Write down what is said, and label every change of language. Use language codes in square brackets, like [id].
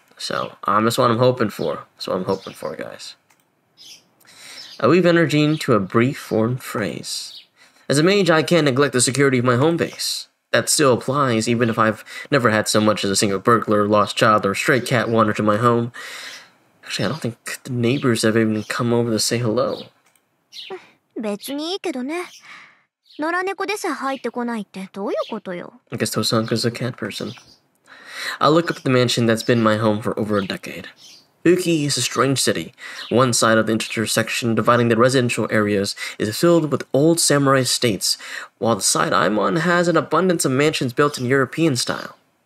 [en] So that's what I'm hoping for. That's what I'm hoping for, guys. I weave energy into a brief form phrase. As a mage, I can't neglect the security of my home base. That still applies, even if I've never had so much as a single burglar, lost child, or stray cat wander to my home. Actually, I don't think the neighbors have even come over to say hello. [ja] 別にいいけどね。野良猫でさ入ってこないってどういうことよ? [en] I guess Tosanka's a cat person. I look up at the mansion that's been my home for over a decade. Uki is a strange city. One side of the intersection dividing the residential areas is filled with old samurai estates, while the side I'm on has an abundance of mansions built in European style.